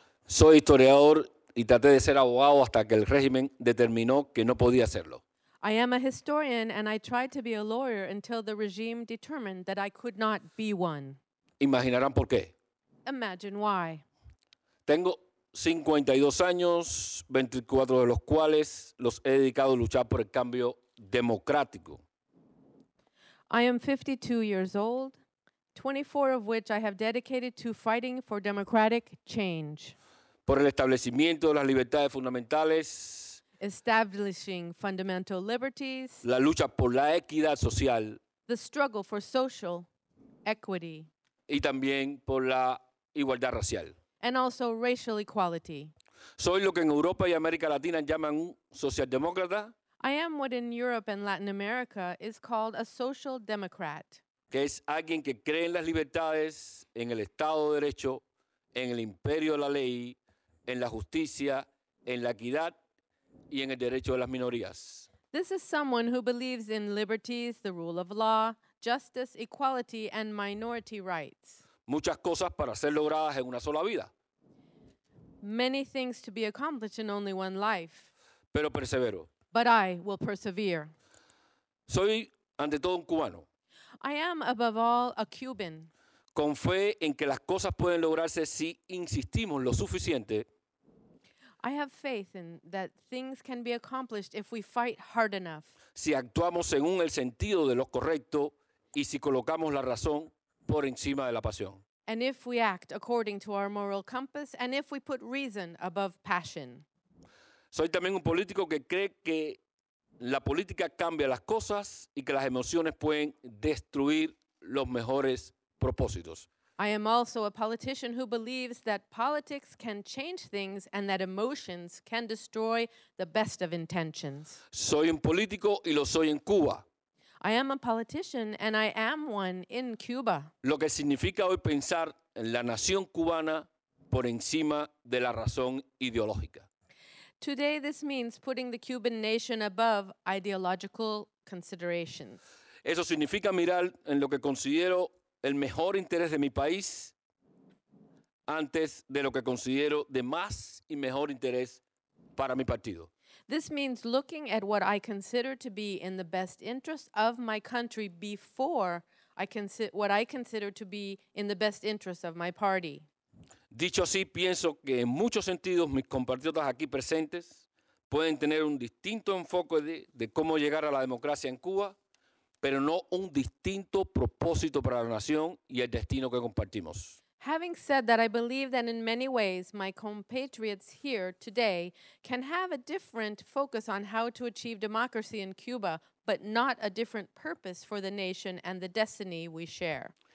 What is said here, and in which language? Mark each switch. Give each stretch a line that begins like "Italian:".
Spanish: Soy historiador y traté de ser abogado hasta que el régimen determinó que no podía hacerlo.
English: I am a historian and I tried to be a lawyer until the regime determined that I could not be one.
Spanish: Imaginarán por qué.
English: Imagine why.
Spanish: Tengo 52 años, 24 de los cuales los he dedicado a luchar por el cambio democrático.
English: I am 52 years old, 24 of which I have dedicated to fighting for democratic change.
Spanish: Por el establecimiento de las libertades fundamentales.
English: Establishing fundamental liberties.
Spanish: La lucha por la equidad social.
English: The struggle for social equity.
Spanish: Y también por la igualdad racial.
English: And also racial equality.
Spanish: Soy lo que en Europa y América Latina llaman un socialdemócrata.
English: I am what in Europe and Latin America is called a social democrat.
Spanish: Que es alguien que cree en las libertades, en el Estado de Derecho, en el imperio de la ley, en la justicia, en la equidad y en el derecho de las minorías.
English: This is someone who believes in liberties, the rule of law, justice, equality, and minority rights.
Spanish: Muchas cosas para ser logradas en una sola vida.
English: Many things to be accomplished in only one life.
Spanish: Pero persevero.
English: But I will persevere.
Spanish: Soy ante todo un cubano.
English: I am above all a Cuban.
Spanish: Con fe en que las cosas pueden lograrse si insistimos lo suficiente.
English: I have faith in that things can be accomplished if we fight hard enough.
Spanish: Si actuamos según el sentido de lo correcto y si colocamos la razón por encima de la pasión.
English: And if we act according to our moral compass and if we put reason above passion.
Spanish: Soy también un político que cree que la política cambia las cosas y que las emociones pueden destruir los mejores propósitos.
English: I am also a politician who believes that politics can change things and that emotions can destroy the best of intentions.
Spanish: Soy un político y lo soy en Cuba.
English: I am a politician and I am one in Cuba.
Spanish: Lo que significa hoy pensar en la nación cubana por encima de la razón ideológica.
English: Today this means putting the Cuban nation above ideological considerations.
Spanish: Eso significa mirar en lo que considero el mejor interés de mi país antes de lo que considero de más y mejor interés para mi partido.
English: This means looking at what I consider to be in the best interest of my country before I consider what I consider to be in the best interest of my party.
Spanish: Dicho así, pienso que en muchos sentidos mis compatriotas aquí presentes pueden tener un distinto enfoque de cómo llegar a la democracia en Cuba, pero no un distinto propósito para la nación y el destino que compartimos.
English: Having said that, I believe that in many ways my compatriots here today can have a different focus on how to achieve democracy in Cuba, but not a different purpose for the nation and the destiny we share.